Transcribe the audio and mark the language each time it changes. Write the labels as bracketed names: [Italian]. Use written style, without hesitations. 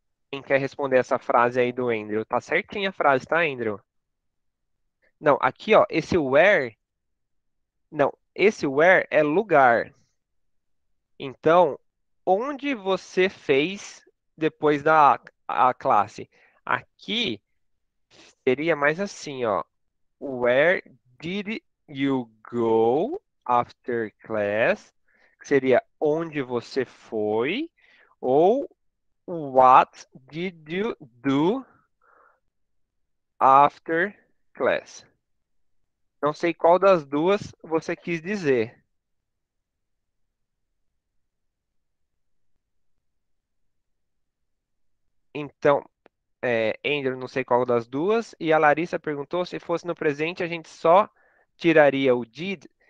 [Portuguese] Quem quer responder essa frase aí do Andrew? Tá certinha a frase, tá, Andrew? Não, aqui, ó, esse where. Não, esse where é lugar. Então, onde você fez depois da classe? Aqui seria mais assim, ó. [English] Where did you go after class? [Portuguese] Seria onde você foi? Ou [English] what did you do after class? [Portuguese] Não sei qual das duas você quis dizer. Então, Andrew, não sei qual das duas. E a Larissa perguntou se fosse no presente, a gente só tiraria o did.